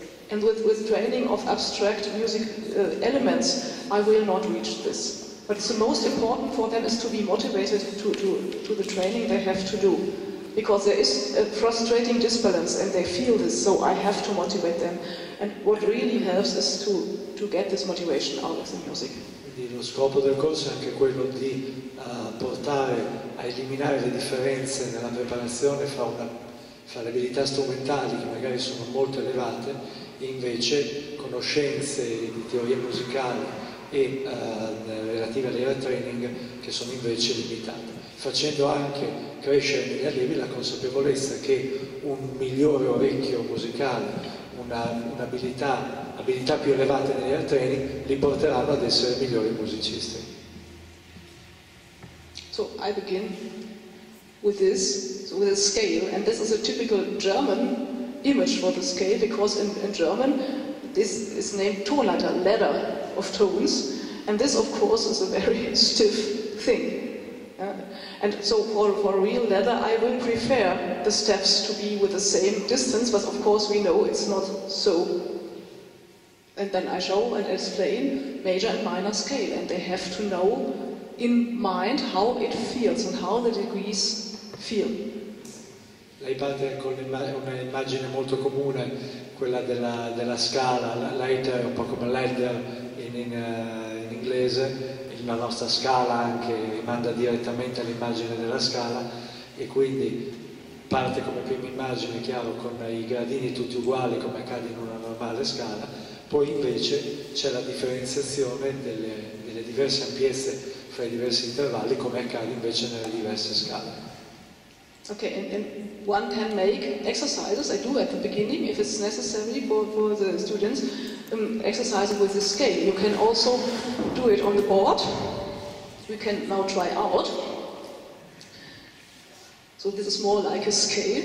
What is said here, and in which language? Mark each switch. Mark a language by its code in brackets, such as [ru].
[en] And with training of abstract music elements, I will not reach this. But the most important for them is to be motivated to the training they have to do. Because there is a frustrating disbalance and they feel this, so I have to motivate them. And what really helps is to get this motivation out of the music. [it] Quindi lo scopo del corso è anche quello di portare a eliminare le differenze nella preparazione fra le abilità strumentali che magari sono molto elevate e invece conoscenze di teoria musicale e relative all'ear training che sono invece limitate, facendo anche crescere negli allievi la consapevolezza che un migliore orecchio musicale, un'abilità più elevate negli ear training li porteranno ad essere migliori musicisti. [en] So I begin with this, so with a scale, and this is a typical German image for the scale, because in German this is named Tonleiter, ladder of tones, and this of course is a very stiff thing. And so for real leather I would prefer the steps to be with the same distance, but of course we know it's not so. And then I show and explain major and minor scale, and they have to know in mind how it feels and how the degrees feel. [it] Lei parte con un'immagine molto comune, quella della scala, lighter, un po' come ladder in inglese. La nostra scala anche manda direttamente all'immagine della scala e quindi parte come prima immagine, chiaro, con i gradini tutti uguali come accade in una normale scala, poi invece c'è la differenziazione delle diverse ampiezze fra i diversi intervalli come accade invece nelle diverse scale. [en] Ok, and one can make exercises, I do at the beginning if it's necessary for the students, exercising with the scale. You can also do it on the board. We can now try out. So this is more like a scale.